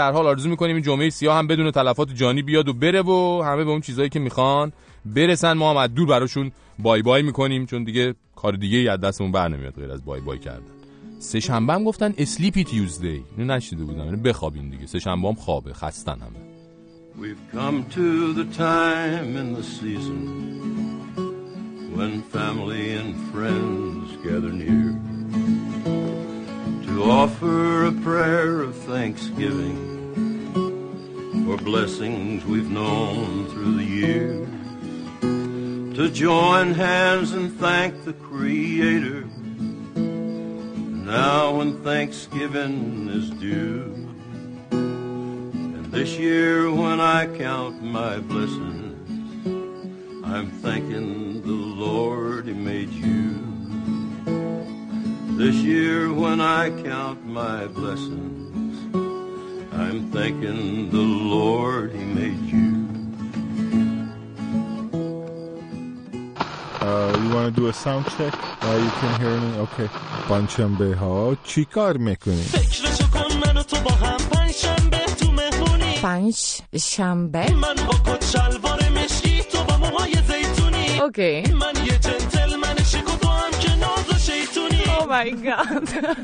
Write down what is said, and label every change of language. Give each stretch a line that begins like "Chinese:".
Persian: به هر حال آرزو میکنیم این جمعه سیاه هم بدون تلفات جانی بیاد و بره و همه به اون چیزایی که میخوان برسن. ما هم از دور براشون بای بای میکنیم چون دیگه کار دیگه ای از دستمون بر نمیاد غیر از بای بای کردن. سه شنبه هم گفتن
English: sleepy Tuesday,
Persian: اینو نشیده بودم، یعنی بخوابین دیگه، سه شنبه هم خوابه، خستن همه.
English: We've come to the time in the season when family and friends gather near to offer a prayer of thanksgiving for blessings we've known through the year, to join hands and thank the Creator now when thanksgiving is due. And this year when I count my blessings, I'm thanking the Lord He made you. This year when I count my blessings, I'm thanking the Lord He made you. You want to do a sound check? You can hear me? Okay.
Persian: پنجشنبه ها چی کار میکنی؟ فکرشو کن من و تو با هم پنجشنبه تو مهمونی. پنجشنبه؟ من با کت شلوار مشکی تو با موهای زیتونی.
English: Okay.
Persian: من یه جنتلمن شیک و تو هم که ناز شیطونی.
English: Oh my god.